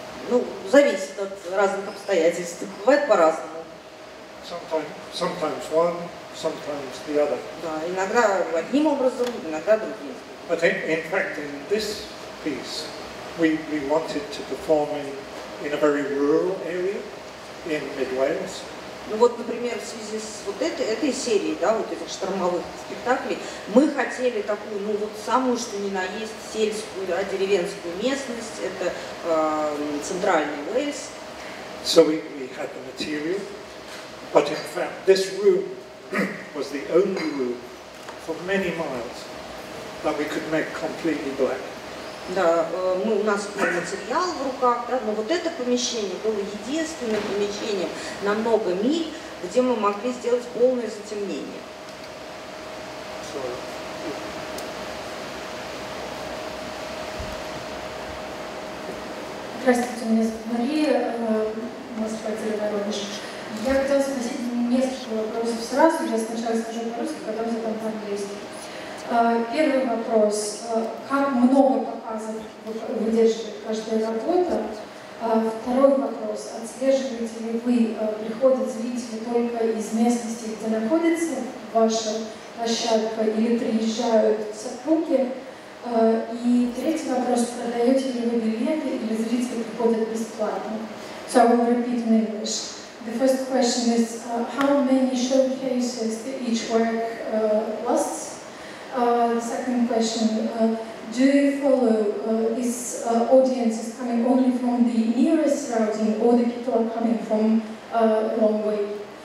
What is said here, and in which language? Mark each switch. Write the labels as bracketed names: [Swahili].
[Russian] Ну, зависит от разных обстоятельств. Бывает по-разному. [English] Sometimes one, sometimes the other. [Russian] Да, иногда одним образом, иногда другим. [English] But in fact, in this piece, we wanted to perform in a very rural area in Mid Wales. [Russian] Ну вот, например, в связи с вот этой серией, да, вот этих штормовых спектаклей, мы хотели такую, ну вот самую, что ни на есть, сельскую, да, деревенскую местность, это центральный Уэльс. [English] So we had the material, but in fact this room was the only room for many miles that we could make completely black. [Russian] Да, у нас был материал в руках, да, но вот это помещение было единственным помещением на много миль, где мы могли сделать полное затемнение. Здравствуйте, меня зовут Мария, Москва-Терра-Воронеж. Я хотела спросить несколько вопросов сразу. Я сначала скажу по-русски, потом задам по-английски. Первый вопрос. Как много показов выдерживает каждая работа? Второй вопрос. Отслеживаете ли вы, приходят зрители только из местности, где находится ваша площадка, или приезжают сотрудники? И третий вопрос. Продаете ли вы билеты, или зрители приходят бесплатно? [English] So I will repeat in English. The first question is, how many showcases each work lasts? The second question, Do you follow this audience is coming only from the nearest routing, or the people are coming from a long way?